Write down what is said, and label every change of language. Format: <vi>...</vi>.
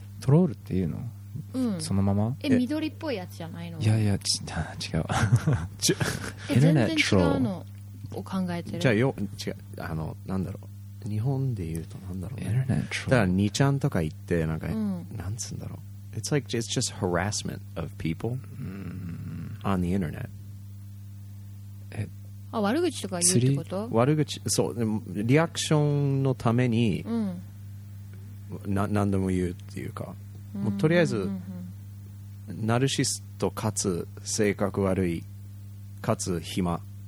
<ja>トロールっていうの?そのまま? え、緑っぽいやつじゃないの? いやいや、違う。</ja> <en>Internet troll.</en> <ja>え、全然違うのを考えてる? じゃあ、違う。あの、 なんだろう?日本で言うとなんだろうね?</ja> <en>Internet troll.</en> <ja>だから、にちゃんとか言って、なんか、 なんつうんだろう?</ja> <en>It's like, it's just harassment of people on the internet.</en> <ja>あ、悪口とか言うってこと? 悪口、そう、リアクションのために何でも言うっていうか。とりあえず、ナルシスト勝つ性格悪いかつ暇</ja>